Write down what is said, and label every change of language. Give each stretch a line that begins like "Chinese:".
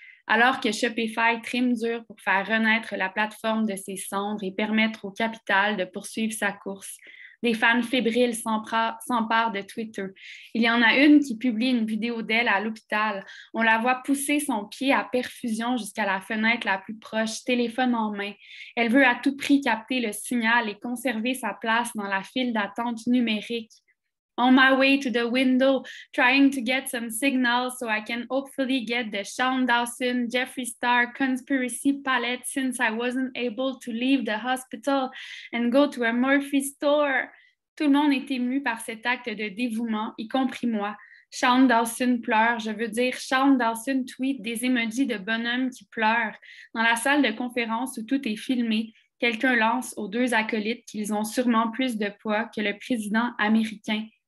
French: Alors que Shopify trime dur pour faire renaître la plateforme de ses cendres et permettre au capital de poursuivre sa course, des fans fébriles s'emparent de Twitter. Il y en a une qui publie une vidéo d'elle à l'hôpital. On la voit pousser son pied à perfusion jusqu'à la fenêtre la plus proche, téléphone en main. Elle veut à tout prix capter le signal et conserver sa place dans la file d'attente numérique.
English: On my way to the window, trying to get some signal so I can hopefully get the Shane Dawson, Jeffree Star conspiracy palette since I wasn't able to leave the hospital and go to a Murphy store.
French: Tout le monde est ému par cet acte de dévouement, y compris moi. Shane Dawson pleure, je veux dire, Shane Dawson tweet des emojis de bonhomme qui pleure. Dans la salle de conférence où tout est filmé, quelqu'un lance aux deux acolytes qu'ils ont sûrement plus de poids que le président américain.